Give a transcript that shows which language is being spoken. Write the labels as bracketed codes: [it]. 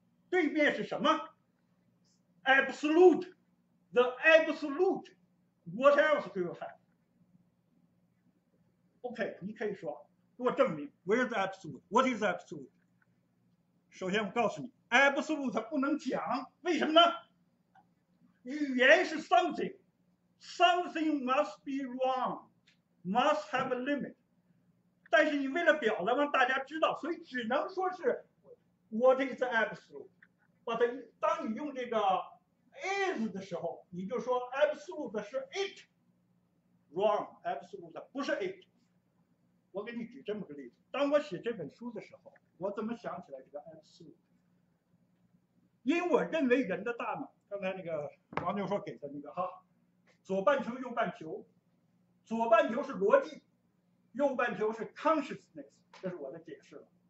[en] 对面是什么？ absolute， the absolute， what else do you have？ [zh] OK， 你可以说给我证明 Where is absolute？ [en] What is absolute？ [zh] 首先我告诉你 absolute 不能讲，为什么呢？ [en] 语言是 something， something must be wrong， must have a limit。 [zh] 但是你为了表达让大家知道，所以只能说是 What is absolute。 But 当你用这个 is 的时候，你就说 absolute 是 it。 Wrong， absolute 不是 it。我给你举这么个例子，当我写这本书的时候，我怎么想起来这个 absolute？因为我认为人的大脑，刚才那个王教授给的那个哈，左半球右半球，左半球是逻辑，右半球是 consciousness， 这是我的解释了。